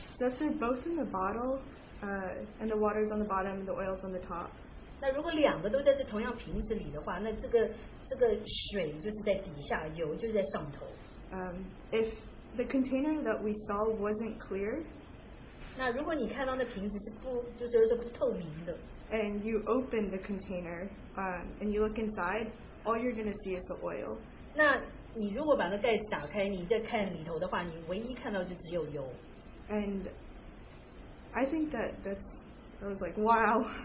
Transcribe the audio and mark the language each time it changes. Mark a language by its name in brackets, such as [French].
[English] So if they're both in the bottle, and the water is on the bottom and the oil is on the top, [Chinese] 那如果两个都在这同样瓶子里的话, 那这个水就是在底下, 油就是在上头. [English] If the container that we saw wasn't clear, [Chinese] 那如果你看到那瓶子是不透明的, [English] and you open the container, and you look inside, all you're going to see is the oil. [Chinese] 那你如果把那盖子打开, 你再看里头的话, 你唯一看到就只有油. [English] And I think that that's, I was like, wow.